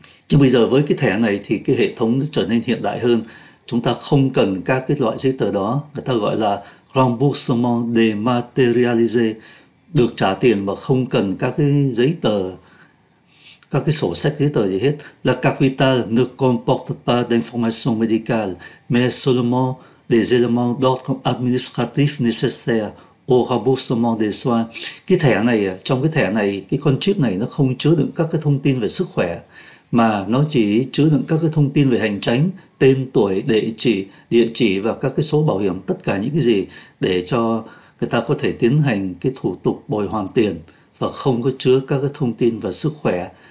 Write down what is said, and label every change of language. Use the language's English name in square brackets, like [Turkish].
[Vietnamese] Nhưng bây giờ với cái thẻ này thì cái hệ thống nó trở nên hiện đại hơn. Chúng ta không cần các cái loại giấy tờ đó, người ta gọi là remboursement dématérialisé, được trả tiền mà không cần các cái giấy tờ, các cái sổ sách giấy tờ gì hết. [French] La carte Vital ne comporte pas d'informations médicales, mais seulement des éléments d'ordre administratif nécessaires au remboursement des soins. [Vietnamese] Cái thẻ này, trong cái thẻ này, cái con chip này nó không chứa đựng các cái thông tin về sức khỏe, mà nó chỉ chứa đựng các cái thông tin về hành chính, tên tuổi, địa chỉ và các cái số bảo hiểm, tất cả những cái gì để cho người ta có thể tiến hành cái thủ tục bồi hoàn tiền, và không có chứa các cái thông tin về sức khỏe.